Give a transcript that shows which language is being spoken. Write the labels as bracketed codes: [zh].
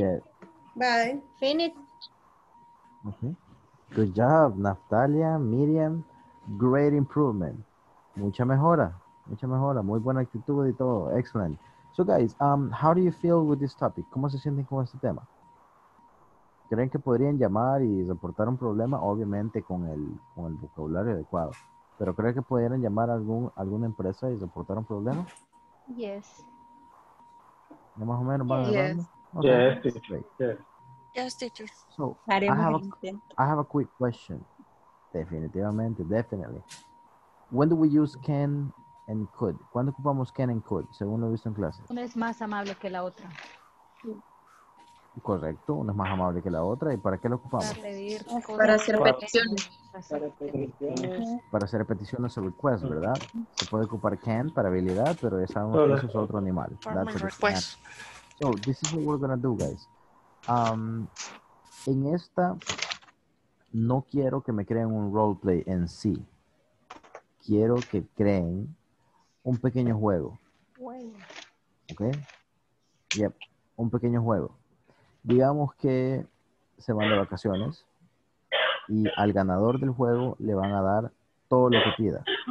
[en] Yes. Bye. Finish. Okay. Good job, Natalia, Miriam. Great improvement. [es] Mucha mejora. Mucha mejora. Muy buena actitud y todo. Excellent. [en] So, guys, how do you feel with this topic? [es] ¿Cómo se sienten con este tema? ¿Creen que podrían llamar y reportar un problema? Obviamente con el vocabulario adecuado. ¿Pero creen que pudieran llamar a alguna empresa y reportar un problema? [en] Yes. [es] ¿Ya más o menos van [en] yes. [es] hablando? [en] Okay. Yes, teacher. Yes, teacher. So, I have a quick question. Definitivamente, definitely. When do we use can and could? [es] ¿Cuándo ocupamos can and could? Según lo he visto en clases. Una es más amable que la otra. Correcto, una es más amable que la otra. ¿Y para qué lo ocupamos? Para hacer peticiones. Para hacer peticiones o requests, ¿verdad? Se puede ocupar can para habilidad, pero ya sabemos que eso es otro animal. [en] That's a request. So, this is what we're going to do, guys. [es] En esta, no quiero que me creen un roleplay en sí. Quiero que creen un pequeño juego. Okay. Yep, un pequeño juego. Digamos que se van de vacaciones y al ganador del juego le van a dar todo lo que pida.